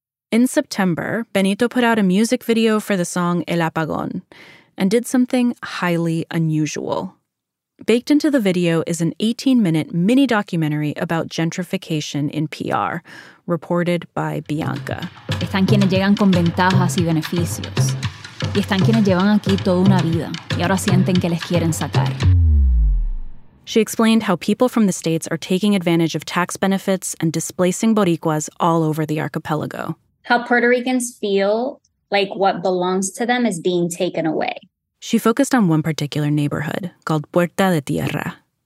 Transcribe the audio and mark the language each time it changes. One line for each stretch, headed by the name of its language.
English: In September, Benito put out a music video for the song El Apagón and did something highly unusual. Baked into the video is an 18-minute mini-documentary about gentrification in PR, reported by Bianca.
Spanish: Están quienes llegan con ventajas y beneficios. Y están quienes llevan aquí toda una vida y ahora sienten que les quieren sacar.
English: She explained how people from the States are taking advantage of tax benefits and displacing Boricuas all over the archipelago. How Puerto Ricans feel like what belongs to them is being taken away. She focused on one particular neighborhood called Puerta de Tierra.